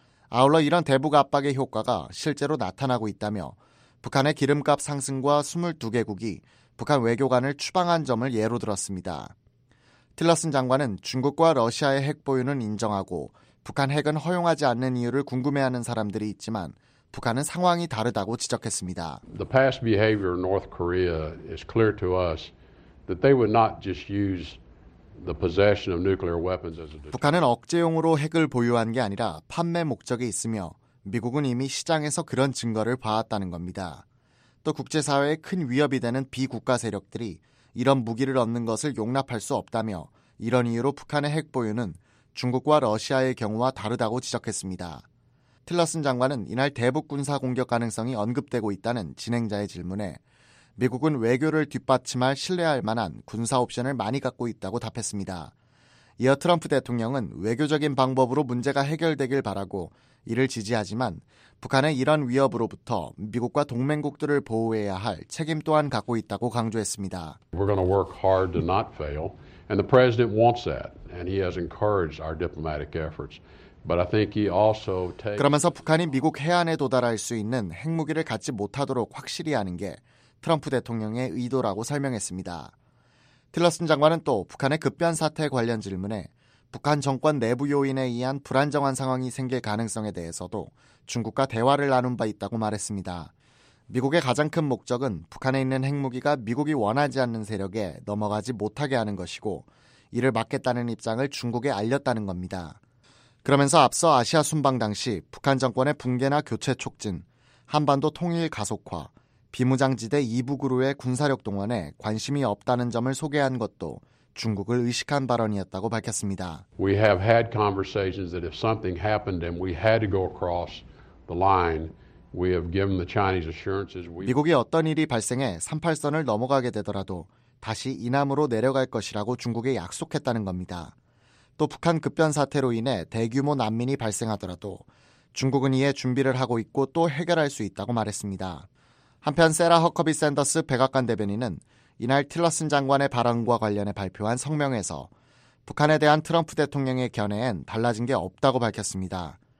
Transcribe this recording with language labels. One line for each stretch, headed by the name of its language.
Korean: 아울러 이런 대북 압박의 효과가 실제로 나타나고 있다며 북한의 기름값 상승과 22개국이 북한 외교관을 추방한 점을 예로 들었습니다. 틸러슨 장관은 중국과 러시아의 핵 보유는 인정하고 북한 핵은 허용하지 않는 이유를 궁금해하는 사람들이 있지만 북한은 상황이 다르다고 지적했습니다.
English: The past behavior of North Korea is clear to us that they would not just use the possession of nuclear weapons as a
Korean: 북한은 억제용으로 핵을 보유한 게 아니라 판매 목적이 있으며 미국은 이미 시장에서 그런 증거를 봐왔다는 겁니다. 또 국제사회에 큰 위협이 되는 비국가 세력들이 이런 무기를 얻는 것을 용납할 수 없다며 이런 이유로 북한의 핵 보유는 중국과 러시아의 경우와 다르다고 지적했습니다. 틸러슨 장관은 이날 대북 군사 공격 가능성이 언급되고 있다는 진행자의 질문에 미국은 외교를 뒷받침할 신뢰할 만한 군사 옵션을 많이 갖고 있다고 답했습니다. 이어 트럼프 대통령은 외교적인 방법으로 문제가 해결되길 바라고 이를 지지하지만 북한의 이런 위협으로부터 미국과 동맹국들을 보호해야 할 책임 또한 갖고 있다고 강조했습니다.
English: We're going to work hard to not fail, and the president wants that, and he has encouraged our diplomatic efforts. But I think he also takes
Korean: 그러면서 북한이 미국 해안에 도달할 수 있는 핵무기를 갖지 못하도록 확실히 하는 게 트럼프 대통령의 의도라고 설명했습니다. 틸러슨 장관은 또 북한의 급변 사태 관련 질문에 북한 정권 내부 요인에 의한 불안정한 상황이 생길 가능성에 대해서도 중국과 대화를 나눈 바 있다고 말했습니다. 미국의 가장 큰 목적은 북한에 있는 핵무기가 미국이 원하지 않는 세력에 넘어가지 못하게 하는 것이고 이를 막겠다는 입장을 중국에 알렸다는 겁니다. 그러면서 앞서 아시아 순방 당시 북한 정권의 붕괴나 교체 촉진, 한반도 통일 가속화, 비무장지대 이북으로의 군사력 동원에 관심이 없다는 점을 소개한 것도 중국을 의식한 발언이었다고 밝혔습니다.
English: We have had conversations that if something happened and we had to go across the line, we have given the Chinese assurances.
Korean: 미국이 어떤 일이 발생해 38선을 넘어가게 되더라도 다시 이남으로 내려갈 것이라고 중국에 약속했다는 겁니다. 또 북한 급변 사태로 인해 대규모 난민이 발생하더라도 중국은 이에 준비를 하고 있고 또 해결할 수 있다고 말했습니다. 한편 세라 허커비 샌더스 백악관 대변인은 이날 틸러슨 장관의 발언과 관련해 발표한 성명에서 북한에 대한 트럼프 대통령의 견해엔 달라진 게 없다고 밝혔습니다.